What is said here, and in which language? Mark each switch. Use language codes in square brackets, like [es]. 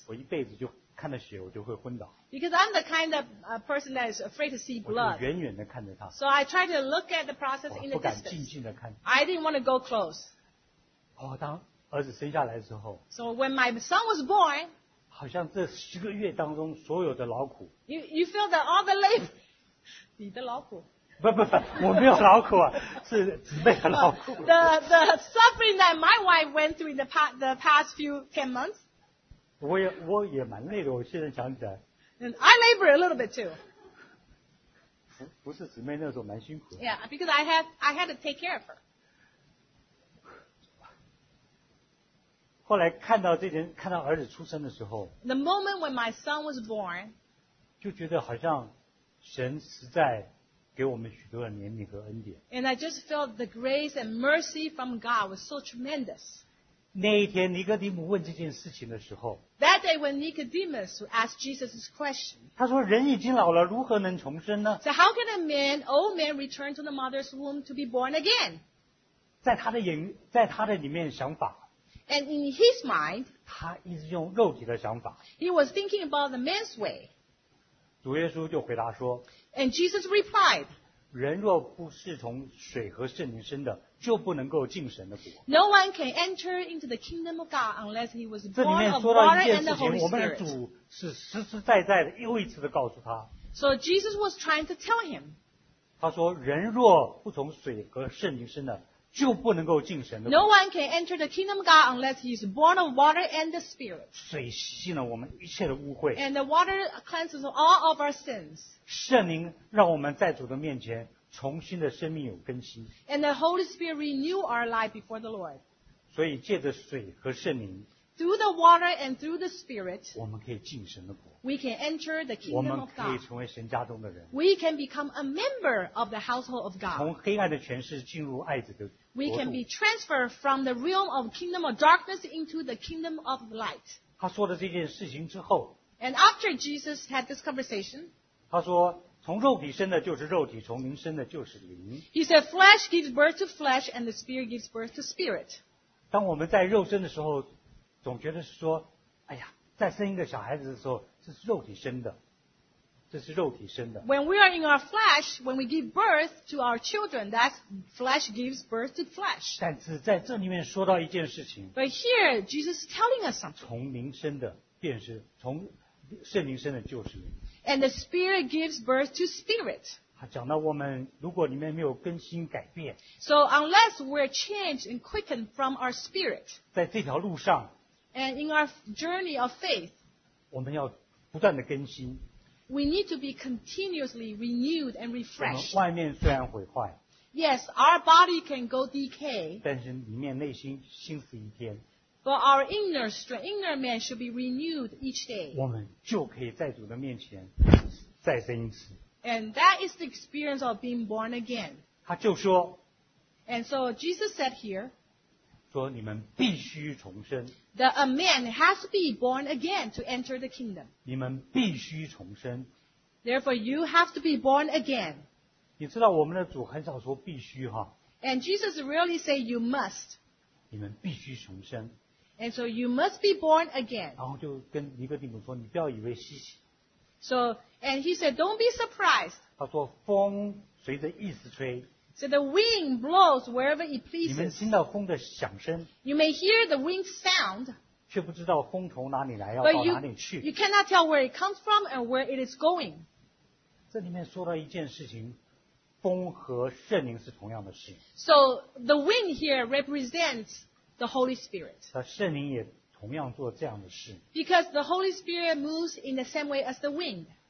[zh] 我一辈子就看到血我就会昏倒。 [en] Because I'm the kind of person that is afraid to see blood. [zh] 我就远远的看着她。 [en] So I tried to look at the process in the distance. [zh] 我不敢静静的看。 [en] I didn't want to go close. [zh] 哦，当儿子生下来之后， [en] So when my son was born, [zh] 好像这十个月当中所有的劳苦， [en] You feel that all the labor, [zh] 你的劳苦不，我没有劳苦啊，是姊妹的劳苦。 [en] The suffering that my wife went through in the past few 10 months. [zh] 我也蛮累的，我现在想起来。 [en] And I labor a little bit too. [zh] 不是姊妹那时候蛮辛苦的。 [en] Yeah, because I had to take care of her. [zh] 后来看到这件，看到儿子出生的时候。 [en] The moment when my son was born. [zh] 就觉得好像神实在。给我们许多的怜悯和恩典。 [en] And I just felt the grace and mercy from God was so tremendous. [zh] 那一天尼哥底母问这件事情的时候， [en] That day when Nicodemus asked Jesus this question, [zh] 他说人已经老了，如何能重生呢？ [en] So how can a man, old man, return to the mother's womb to be born again? [zh] 在他的里面想法。 [en] And in his mind, [zh] 他一直用肉体的想法。 [en] He was thinking about the man's way. [zh] 主耶稣就回答说， [en] And Jesus replied, [zh] 人若不是从水和圣灵生的，就不能够进神的国。 [en] No one can enter into the kingdom of God unless he was born of water [zh] 这里面说到一件事情，我们的主是实实在在的又一次的告诉他。 [en] So Jesus was trying to tell him, [zh] 他说人若不从水和圣灵生的，就不能够进神的。 [en] No one can enter the kingdom of God unless he is born of water and the Spirit. [zh] 水洗净了我们一切的污秽。 [en] And the water cleanses all of our sins. [zh] 圣灵让我们在主的面前重新的生命有更新。 [en] And the Holy Spirit renew our life before the Lord. [zh] 所以借着水和圣灵， [en] Through the water and through the Spirit, [zh] 我们可以进神的国。 [en] We can enter the kingdom of God. [zh] 我们可以成为神家中的人。 [en] We can become a member of the household of God. [zh] 从黑暗的权势进入爱子的国度。 [en] We can be transferred from the realm of kingdom of darkness into the kingdom of light. [zh] 他说了这件事情之后， [en] And after Jesus had this conversation, [zh] 他说从肉体生的就是肉体，从灵生的就是灵。 [en] He said, flesh gives birth to flesh, and the spirit gives birth to spirit. [zh] 当我们在肉身的时候，总觉得是说，哎呀，在生一个小孩子的时候，这是肉体生的，这是肉体生的。 [en] When we are in our flesh, when we give birth to our children, that flesh gives birth to flesh. [zh] 但是在这里面说到一件事情。 [en] But here Jesus is telling us something. [zh] 从灵生的便是从圣灵生的就是灵。 [en] And the spirit gives birth to spirit. [zh] 讲到我们如果里面没有更新改变。 [en] So unless we're changed and quickened from our spirit. [zh] 在这条路上。 [en] And in our journey of faith. [zh] 我们要不断的更新。 [en] We need to be continuously renewed and refreshed. [zh] 我们外面虽然毁坏。 [en] Yes, our body can go decay. [zh] 但是里面内心新似一天。 [en] But our inner strength, inner man should be renewed each day. [zh] 我们就可以在主的面前再生一次。 [en] And that is the experience of being born again. [zh] 他就说。 [en] And so Jesus said here. [zh] 说你们必须重生。 [en] That a man has to be born again to enter the kingdom. [zh] 你们必须重生。 [en] Therefore you have to be born again. [zh] 你知道我们的主很少说必须哈。 [en] And Jesus really said you must. [zh] 你们必须重生。 [en] And so you must be born again. [zh] 然后就跟尼哥底母说，你不要以为稀奇。 [en] So, and he said, don't be surprised. [zh] 他说风随着意思吹。 [en] So the wind blows wherever it pleases. [zh] 你们听到风的响声。 [en] You may hear the wind sound. [zh] 却不知道风从哪里来，要到哪里去。 [en] You cannot tell where it comes from and where it is going. [zh] 这里面说到一件事情，风和圣灵是同样的事。 [en] So the wind here represents the Holy Spirit. [zh] 圣灵也同样做这样的事。 [en] Because the Holy Spirit moves in the same way as the wind.